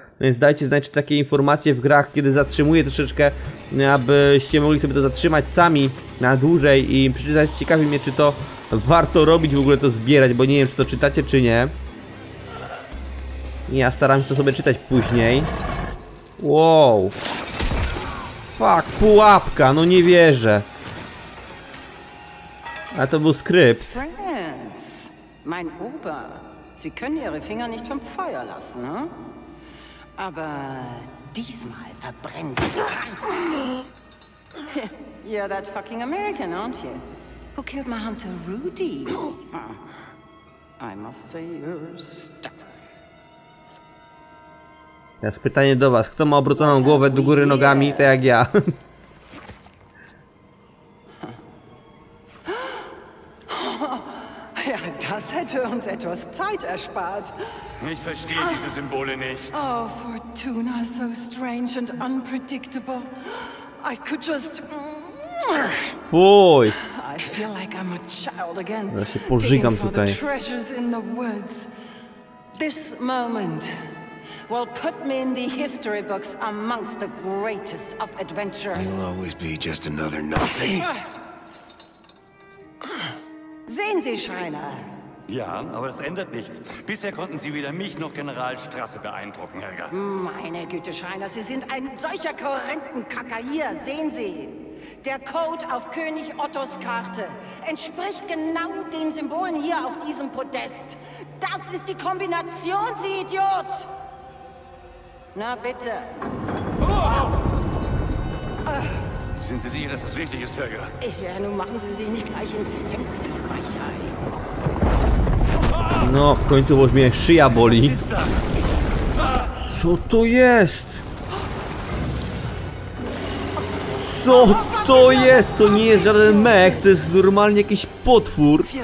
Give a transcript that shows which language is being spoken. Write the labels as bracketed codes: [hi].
[pl] Więc dajcie znać, czy takie informacje w grach, kiedy zatrzymuję troszeczkę, abyście mogli sobie to zatrzymać sami na dłużej i przeczytać. Ciekawi mnie, czy to warto robić, w ogóle to zbierać, bo nie wiem, czy to czytacie, czy nie. Ja staram się to sobie czytać później. Wow. Fuck, pułapka, no nie wierzę. A to był skrypt. [de] Franz, mein Ober, Sie können Ihre Finger nicht vom Feuer lassen, hm? Aber diesmal verbrennen Sie. [en] You're that fucking American, aren't you? Who killed my hunter Rudy? I must say you're stuck. [pl] Teraz pytanie do was. Kto ma obróconą głowę do góry nogami, tak jak ja? [de] Ja, das hätte uns etwas Zeit erspart. Ich verstehe diese Symbole nicht. [en] Oh, Fortuna, so strange and unpredictable. I could just... [pl] Fuj! [en] I feel like I'm a child again. [pl] Ja się pożygam tutaj. [en] For the treasures in the woods. This moment... Well, put me in the history books amongst the greatest of adventurers. You'll always be just another Nazi. [de] Sehen Sie, Schreiner? Ja, aber es ändert nichts. Bisher konnten Sie weder mich noch General Strasse beeindrucken, Helga. Meine Güte, Schreiner, Sie sind ein solcher Korinthenkacker. Hier, sehen Sie. Der Code auf König Ottos Karte entspricht genau den Symbolen hier auf diesem Podest. Das ist die Kombination, Sie Idiot! Na bitte. Sind Sie sicher, dass das richtig ist, Helga? Ja, nun machen Sie sich nicht gleich ins Hemd, Sie Weichei. [pl] No, w końcu już mnie szyja boli. Co to jest? Co to jest? To nie jest żaden mech, to jest normalnie jakiś potwór.